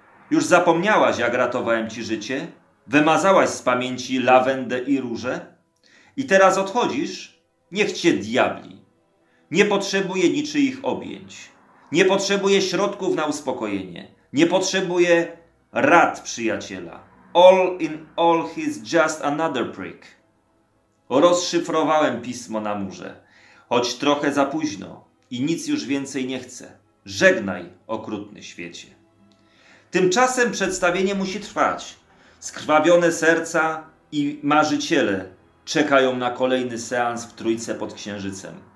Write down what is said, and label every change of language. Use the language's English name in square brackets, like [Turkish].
[Polish] Już zapomniałaś, jak ratowałem ci życie? Wymazałaś z pamięci lawendę i róże? I teraz odchodzisz? Niech cię diabli. Nie potrzebuję niczyich objęć. Nie potrzebuję środków na uspokojenie. Nie potrzebuję rad przyjaciela. [English] All in all, he's just another prick. [Polish] Rozszyfrowałem pismo na murze, choć trochę za późno i nic już więcej nie chcę. Żegnaj, okrutny świecie. Tymczasem przedstawienie musi trwać. Skrwawione serca i marzyciele czekają na kolejny seans w Trójce pod Księżycem.